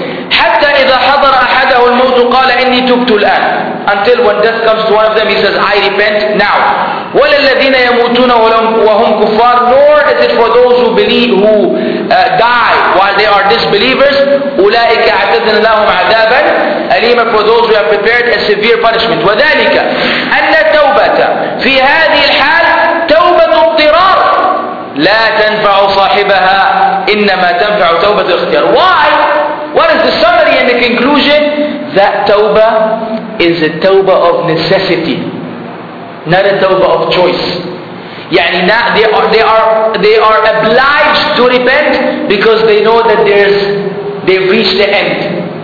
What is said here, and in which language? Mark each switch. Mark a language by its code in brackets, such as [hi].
[ar] حتى إذا حضر أحده الموت قال إني تبت الآن. [en] Until when death comes to one of them, he says, I repent now. [ar] ولا الذين يموتون وهم كفار. [en] Nor is it for those who die while they are disbelievers. [ar] أولئك أعتدنا لهم عذابا أليما. [en] For those who have prepared a severe punishment. [ar] وذلك أن التوبة في هذه الحال توبة اضطرار لا تنفع صاحبها إنما تنفع توبة الاختيار. [en] Why? What is the summary and the conclusion? That tawbah is a tawbah of necessity, not a tawbah of choice. يعني they are obliged to repent because they know that they've reached the end.